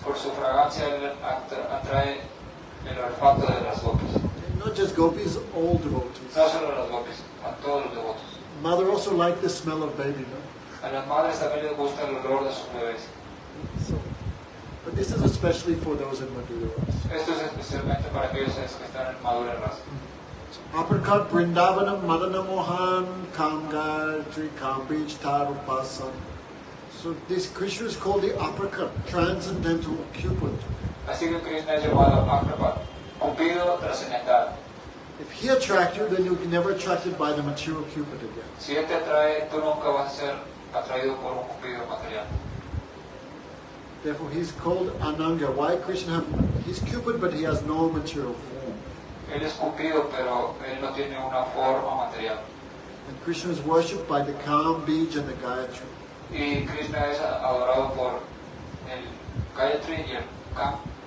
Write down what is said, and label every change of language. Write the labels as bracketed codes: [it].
[es] Por su fragancia, él atrae el olfato de las gopis. [en] And not just gopis, all devotees. [es] No solo las gopis, a todos los devotos. [en] Mother also liked the smell of baby, no? [es] A las madres también les gusta el olor de sus bebés. [en] So, but this is especially for those in Madhura Rasa. [es] Esto es especialmente para aquellos que están en Madhura Rasa. [sa] Apricot Brindavanam Madana Mohan Kamgatri Kambij Tarupasam. [en] So this Krishna is called the Apricot, Transcendental Cupid. [es] Así que Krishna es llamado Apricot, Cupido Trascendental. [en] If he attracts you, then you can never attracted by the material Cupid again. [es] Si él te atrae, tú nunca vas a ser atraído por un Cupido material. [en] Therefore, he's called Ananga. Why Krishna have? He's Cupid, but he has no material form. [es] Él es Cupido, pero él no tiene una forma material. [en] And Krishna is worshipped by the Kam Bij and the Gayatri. [es] Y Krishna es adorado por el Gayatri y el Kam.